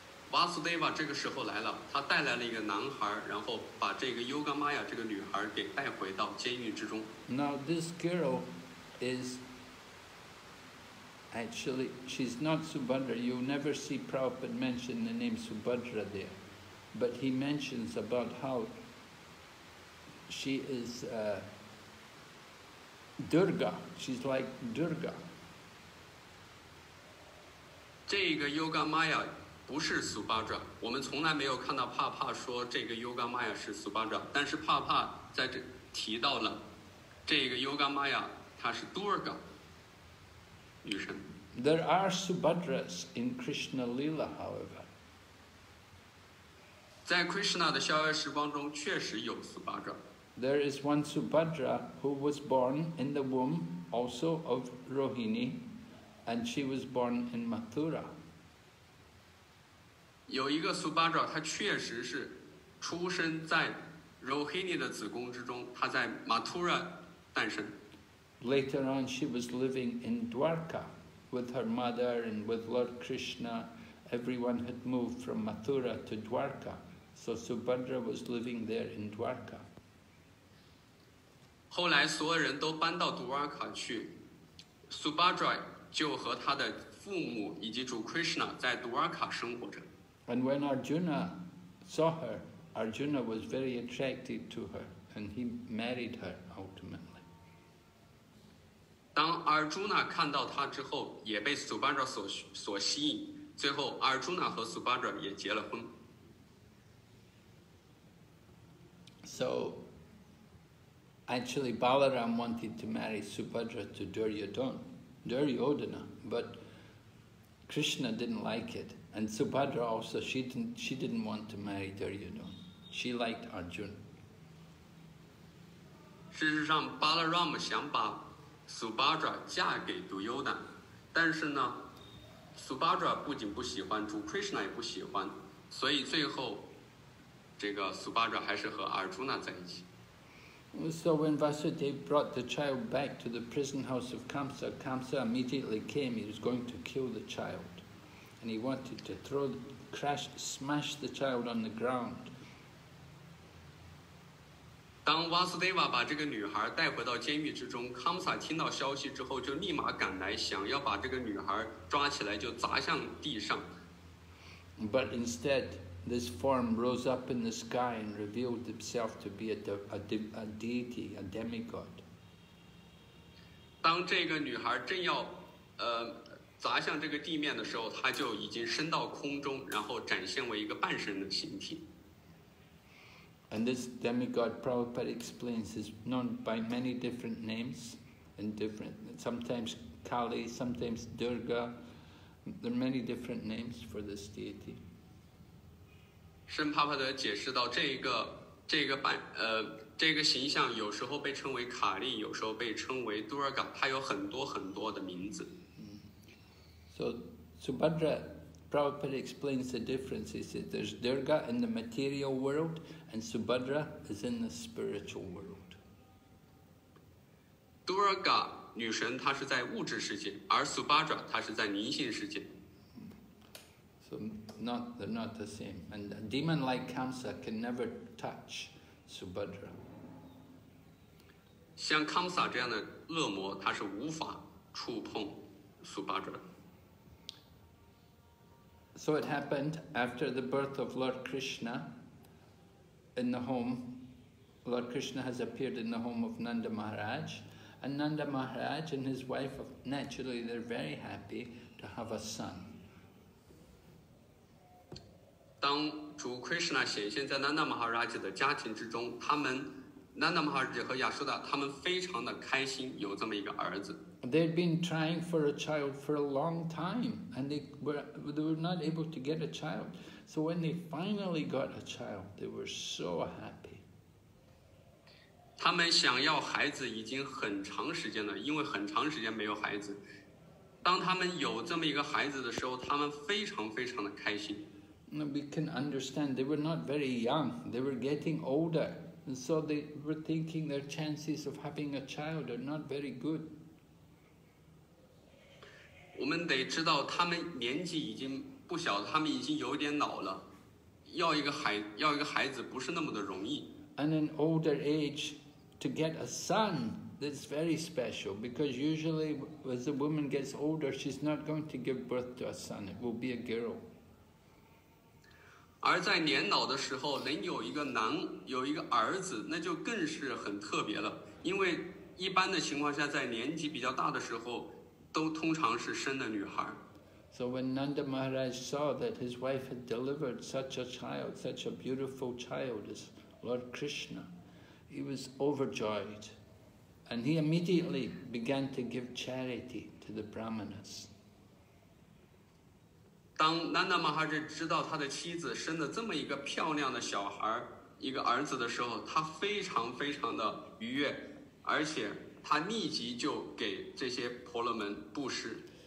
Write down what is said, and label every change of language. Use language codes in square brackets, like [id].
[zh] Vasudeva 这个时候来了，他带来了一个男孩，然后把这个 Yogamaya 这个女孩给带回到监狱之中。 [en] Now this girl is actually she's not Subhadra. You never see Prabhupada mention the name Subhadra there. But he mentions about how she is Durga. She's like Durga. [zh] 这个 Yogamaya 不是 Subhadra. 我们从来没有看到帕帕说这个 Yogamaya 是 Subhadra. 但是帕帕在这提到了这个 Yogamaya 她是 Durga 女神。 [en] There are Subhadras in Krishna Lila, however. [zh] 在 Krishna 的逍遥时光中确实有 Subhadra. [en] There is one Subhadra who was born in the womb also of Rohini, and she was born in Mathura. [zh] 有一个 Subhadra, 她确实是出生在 Rohini 的子宫之中，她在 Mathura 诞生。 [en] Later on, she was living in Dwarka with her mother and with Lord Krishna. Everyone had moved from Mathura to Dwarka. So Subhadra was living there in Dwarka. [zh] 后来所有人都搬到 Dwarka 去， Subhadra 就和他的父母以及主 Krishna 在 Dwarka 生活着。 [en] And when Arjuna saw her, Arjuna was very attracted to her, and he married her ultimately. [zh] 当 Arjuna 看到她之后，也被 Subhadra 所吸引，最后 Arjuna 和 Subhadra 也结了婚。 [en] So, actually, Balaram wanted to marry Subhadra to Duryodhana, but Krishna didn't like it. And Subhadra also, she didn't want to marry Duryodhana. She liked Arjuna. [zh] 事实上 ,Balaram 想把 Subhadra 嫁给 Duryodhana, 但是呢 ,Subhadra 不仅不喜欢,主 Krishna 也不喜欢,所以最后这个 Subhadra 还是和 Arjuna 在一起。 [en] So when Vasudev brought the child back to the prison house of Kamsa, Kamsa immediately came. He was going to kill the child, and he wanted to smash the child on the ground. [zh] 当 Vasudeva 把这个女孩带回到监狱之中， Kamsa 听到消息之后就立马赶来，想要把这个女孩抓起来就砸向地上。 [en] But instead. This form rose up in the sky and revealed itself to be a deity, a demigod. [zh] 当这个女孩正要砸向这个地面的时候，她就已经升到空中，然后展现为一个半身的形体。 [en] And this demigod, Prabhupada explains, is known by many different names and different, sometimes Kali, sometimes Durga. There are many different names for this deity. [zh] 圣帕帕德解释到这个形象有时候被称为卡利，有时候被称为杜尔嘎，它有很多很多的名字。 [en] So Subhadra Prabhupada explains the difference. He says there's Durga in the material world and Subhadra is in the spiritual world. [zh] 杜尔嘎女神她是在物质世界，而 Subhadra 她是在灵性世界。 [en] They're not the same. And a demon like Kamsa can never touch Subhadra. [zh] 像 Kamsa 这样的恶魔，他是无法触碰 Subhadra. [en] So it happened after the birth of Lord Krishna in the home. Lord Krishna has appeared in the home of Nanda Maharaj. And Nanda Maharaj and his wife, naturally, they're very happy to have a son. [zh] 当主 Krishna 显现在 Nanda Maharaj 的家庭之中，他们 Nanda Maharaj 和 Yashoda 他们非常的开心有这么一个儿子。 [en] They've been trying for a child for a long time, and they were not able to get a child. So when they finally got a child, they were so happy. [zh] 他们想要孩子已经很长时间了，因为很长时间没有孩子。当他们有这么一个孩子的时候，他们非常非常的开心。 [en] We can understand they were not very young. They were getting older, and so they were thinking their chances of having a child are not very good. [zh] 我们得知道他们年纪已经不小，他们已经有点老了，要一个孩子不是那么的容易。 [en] And an older age to get a son. That's very special because usually, as a woman gets older, she's not going to give birth to a son. It will be a girl. [zh] 而在年老的时候，能有一个男，有一个儿子，那就更是很特别了。因为一般的情况下，在年纪比较大的时候，都通常是生的女孩。 [en] So when Nanda Maharaj saw that his wife had delivered such a child, such a beautiful child as Lord Krishna, he was overjoyed. And he immediately began to give charity to the brahmanas. [zh] 当 Nanda Maharaj 知道他的妻子生了这么一个漂亮的小孩，一个儿子的时候，他非常非常的愉悦，而且他立即就给这些婆罗门布施。